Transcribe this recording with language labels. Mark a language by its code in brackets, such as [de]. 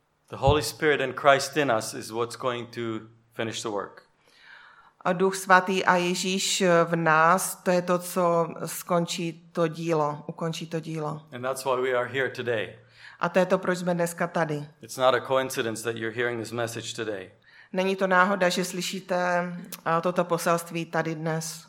[en] The Holy Spirit and Christ in us is what's going to finish the work. [cs] A Duch svatý a Ježíš v nás, to je to, co skončí to dílo, ukončí to dílo. [en] And that's why we are here today. [cs] A to je to, proč jsme dneska tady. [en] It's not a coincidence that you're hearing this message today. [cs] Není to náhoda, že slyšíte toto poselství tady dnes.